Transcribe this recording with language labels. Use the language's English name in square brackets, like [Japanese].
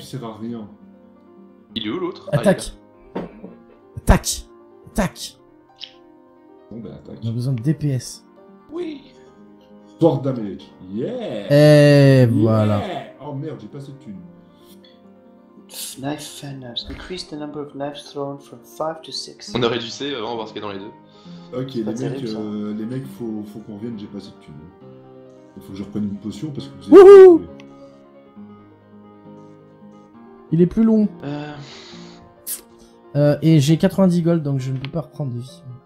[French] Tout, sert à rien. Il est où l'autre? Attaque. Ah, attaque. Attaque. Bon ben attaque. On a besoin de DPS. Oui. [English] Sword damage. Yeah. [French] Et voilà. Yeah. Oh merde, j'ai pas assez de thunes. [English] Knife and knives. Increase the number of knives thrown from 5 to 6. [French] On a réduit, on va voir ce qu'il y a dans les deux. Ok, les mecs, terrible, les mecs, faut qu'on revienne, j'ai pas assez de thunes. Il faut que je reprenne une potion parce que vous êtes... Wouhou! Il est plus long. Et j'ai 90 gold, donc je ne peux pas reprendre de vie.